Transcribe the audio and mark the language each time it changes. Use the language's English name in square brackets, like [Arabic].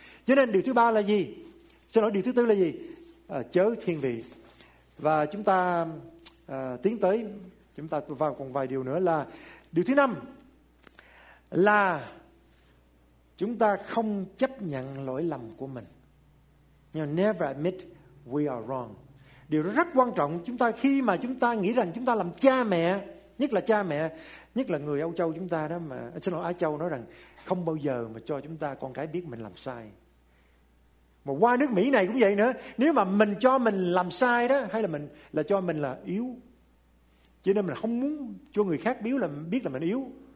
[Vietnamese] Cho nên điều thứ ba là gì? Xin lỗi, điều thứ tư là gì? Chớ thiên vị. Và chúng ta tiến tới, chúng ta vào còn vài điều nữa là điều thứ năm là chúng ta không chấp nhận lỗi lầm của mình. [English] You never admit we are wrong. [Vietnamese] Điều đó rất quan trọng. Chúng ta khi mà chúng ta nghĩ rằng chúng ta làm cha mẹ, nhất là cha mẹ, nhất là người Âu Châu chúng ta đó, mà xin lỗi, Á Châu, nói rằng không bao giờ mà cho chúng ta con cái biết mình làm sai. Mà qua nước Mỹ này cũng vậy nữa. Nếu mà mình cho mình làm sai đó, hay là mình là cho mình là yếu, cho nên mình không muốn cho người khác biết là mình yếu.